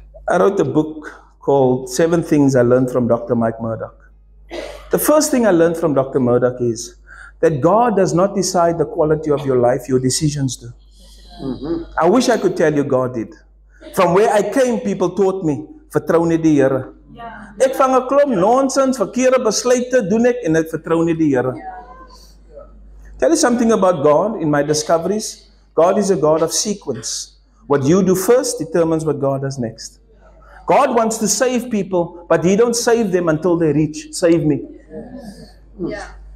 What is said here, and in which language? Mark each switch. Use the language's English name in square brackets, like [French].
[English] I wrote a book called Seven Things I Learned from Dr. Mike Murdoch. The first thing I learned from Dr. Murdoch is that God does not decide the quality of your life, your decisions do. Mm-hmm. I wish I could tell you God did. From where I came, people taught me, [Afrikaans] vertrou net die Here. Ek vang 'n klomp nonsense, verkeerde besluite, doen ek en ek vertrou net die Here. [English] Tell you something about God in my discoveries. God is a God of sequence. What you do first determines what God does next. God wants to save people, but He don't save them until they reach. Save me. Yeah.